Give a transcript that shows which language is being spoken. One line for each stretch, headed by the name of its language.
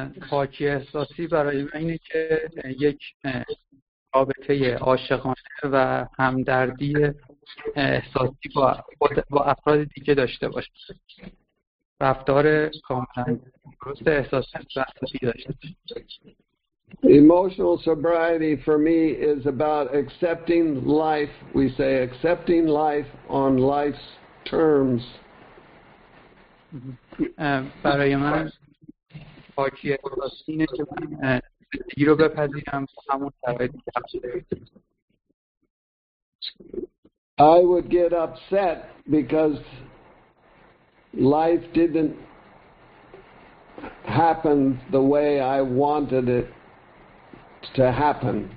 Persian: پاکی احساسی برای من اینه که یک رابطه عاشقانه و همدردی احساسی با افراد دیگه داشته باشه. رفتار کاملا درست احساسی و احساسی داشته باشه.
English: Emotional sobriety for me is about accepting life. We say accepting life on life's terms.
Persian: برای من پاکی احساسی اینه که من زندگی رو بپذیرم همون شرایطی که هست.
English: I would get upset because life didn't ha happen the way I wanted it to happen.